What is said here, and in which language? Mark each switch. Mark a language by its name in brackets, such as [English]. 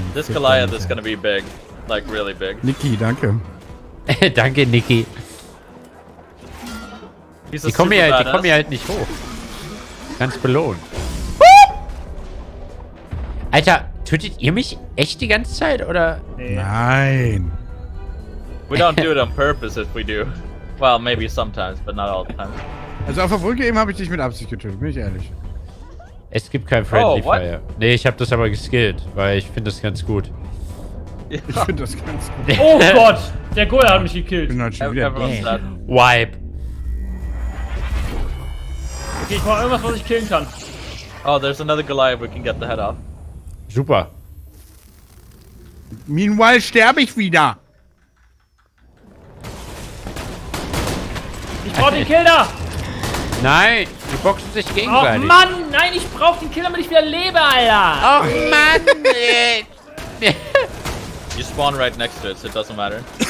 [English] this Goliath is gonna be big. Like, really big. [German] Niki, danke. Danke, Niki. Die kommen hier halt nicht hoch. Ganz belohnt. Alter, tötet ihr mich echt die ganze Zeit, oder? Nein. [English] We don't do it on purpose if we do. Well, maybe sometimes, but not all the time. [German] Also auf der Brücke eben habe ich dich mit Absicht getötet, bin ich ehrlich. Es gibt kein Friendly Fire. Nee, ich habe das aber geskillt, weil ich finde das ganz gut. Ich finde das ganz gut. Oh Gott, der Goya hat mich gekillt. Bin halt schon wieder Wipe. Okay, ich brauche irgendwas, was ich killen kann. [English] Oh, there's another Goliath, we can get the head off. [German] Super. [English] Meanwhile [German] sterbe ich wieder. Ich brauche den Killer. Nein, die boxen sich gegenseitig. Oh Mann, nein, ich brauche den Killer, damit ich wieder lebe, Alter. Oh Mann. [English] You spawn right next to it, so it doesn't matter.